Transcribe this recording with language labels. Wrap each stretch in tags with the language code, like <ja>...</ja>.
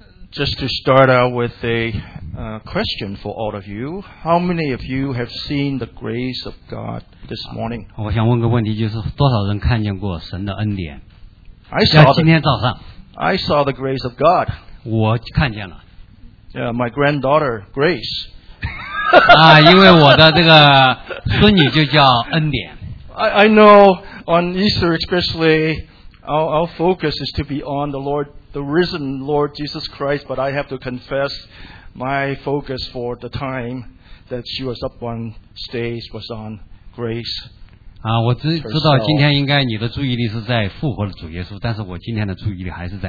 <en>Just to start out with a question for all of you. How many of you have seen the grace of God this morning?</en> <zh>我想问个问题，就是多少人看见过神的恩典？</zh> <en>I saw</en> <zh>今天早上。</zh> <en>I saw the grace of God.</en> <zh>我看见了。</zh> <en>Yeah, my granddaughter, Grace.</en> <zh>啊，因为我的这个孙女就叫恩典。</zh> <en>I know on Easter especially, our focus is to be on the Lord, the risen Lord Jesus Christ, but I have to confess my focus for the time that she was up on stage was on Grace.</en> <zh>啊，我知道今天应该你的注意力是在复活的主耶稣，但是我今天的注意力还是在恩典。</zh>